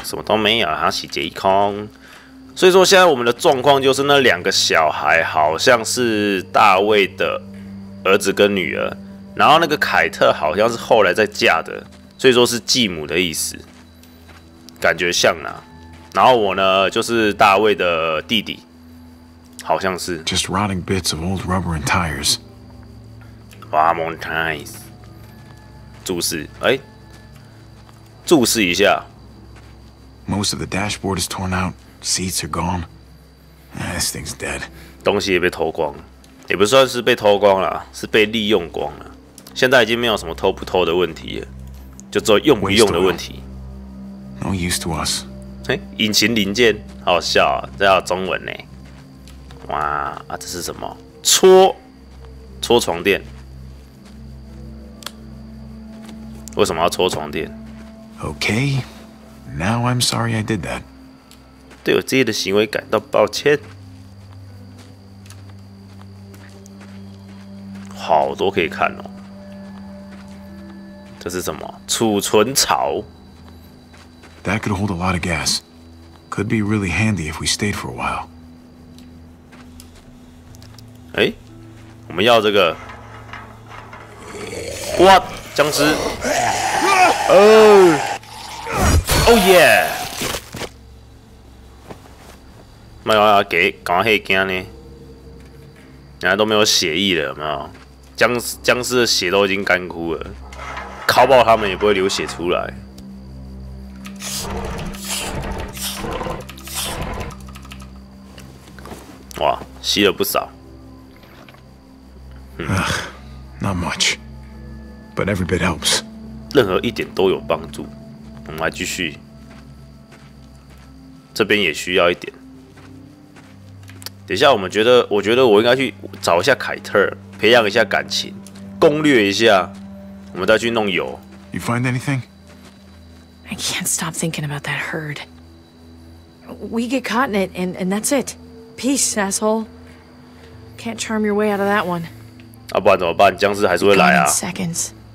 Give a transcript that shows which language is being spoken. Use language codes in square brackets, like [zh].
[zh] 什么都没有，他洗劫一空。所以说，现在我们的状况就是那两个小孩好像是大卫的儿子跟女儿，然后那个凯特好像是后来再嫁的，所以说是继母的意思，感觉像啦。然后我呢，就是大卫的弟弟，好像是。 [en] Just rotting bits of old rubber and tires. Rubber and tires. [zh] 注视，哎，注视一下。 [en] Most of the dashboard is torn out. Seats are gone. This thing's dead. [zh] 东西也被偷光，也不算是被偷光了，是被利用光了。现在已经没有什么偷不偷的问题了，就只有用不用的问题。 [en] No use to us. [zh] 欸、引擎零件，好笑、啊，这叫中文呢、欸。哇啊，这是什么？搓搓床垫？为什么要搓床垫 [en] ？Okay, now I'm sorry I did that. [zh] 对我自己的行为感到抱歉。好多可以看哦。这是什么？储存槽。 [en] That could hold a lot of gas. Could be really handy if we stayed for a while. [zh] 哎、欸，我们要这个。哇，僵尸！哦 ，Oh yeah！没有啊，给赶快去惊呢。人家都没有血意了，有没有？僵尸的血都已经干枯了，烤爆他们也不会流血出来。哇，吸了不少。 [en] Not much, but every bit helps. [zh] 任何一点都有帮助。我们来继续，这边也需要一点。等一下，我觉得我应该去找一下凯特，培养一下感情，攻略一下，我们再去弄油。 [en] You find anything? I can't stop thinking about that herd. We get caught in it, and that's it. Peace, asshole. Can't charm your way out of that one. [zh] 啊，不然怎么办？僵尸还是会来啊。Seconds.